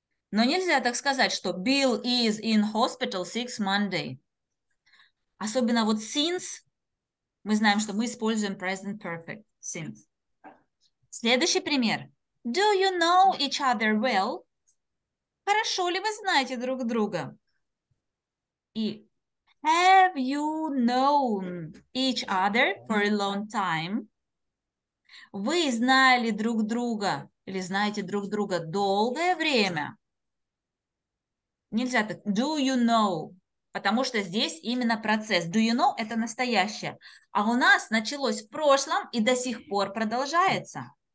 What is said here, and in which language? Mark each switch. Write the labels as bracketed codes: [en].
[ru] Но нельзя так сказать, что [en] Bill is in hospital since Monday. [ru] Особенно вот since, мы знаем, что мы используем present perfect since. Следующий пример. [en] Do you know each other well? [ru] Хорошо ли вы знаете друг друга? [en] И have you known each other for a long time? [ru] Вы знали друг друга или знаете друг друга долгое время? Нельзя так. [en] Do you know? [ru] Потому что здесь именно процесс. [en] Do you know? [ru] Это настоящее. А у нас началось в прошлом и до сих пор продолжается.